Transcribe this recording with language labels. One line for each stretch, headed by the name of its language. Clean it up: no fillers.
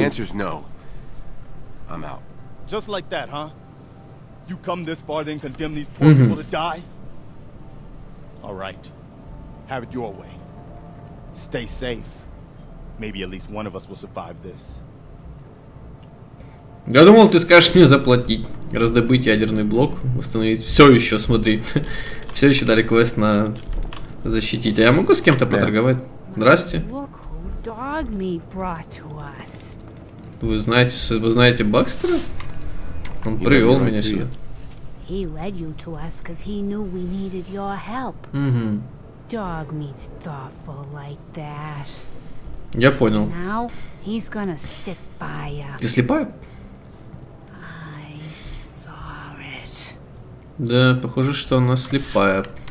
English: The answer's no. I'm out. Just like that, huh? You come this far, then condemn these poor people to die? All right. Have it your way. Stay safe. Maybe at least one of us will survive this.
Russian: Я думал, ты скажешь мне заплатить. Раздобыть ядерный блок, восстановить. Все еще, смотри. Все еще дали квест на защитить. А я могу с кем-то поторговать? Здрасте.
English: Look who dog me brought to us.
Russian: Вы знаете Бакстера? Он привел меня сюда.
English: He led you to us because he knew we needed your help. Dog meets thoughtful like that.
Russian: Я понял.
English: Now he's gonna stick by ya.
Russian: Ты слепая?
English: I saw it.
Russian: Да, похоже, что она слепая.